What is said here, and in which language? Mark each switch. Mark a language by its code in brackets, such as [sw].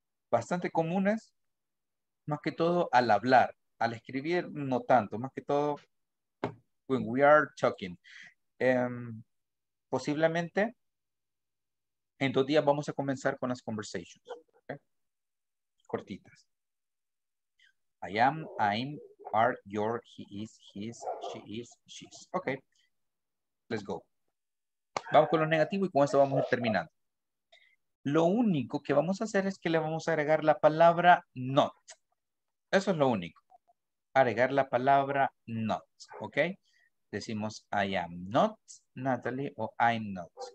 [es] Bastante comunes, más que todo al hablar, al escribir no tanto, más que todo [en] when we are talking. [es] Posiblemente en 2 días vamos a comenzar con las conversations, ¿okay? Cortitas. [en] I am, I'm, are, your, he is, his, she is, she's. Ok, let's go. [es] Vamos con lo negativo y con esto vamos a ir terminando. Lo único que vamos a hacer es que le vamos a agregar la palabra not. Eso es lo único. Agregar la palabra not. Ok. Decimos, [en] I am not Natalie, [es] o [en] I'm not.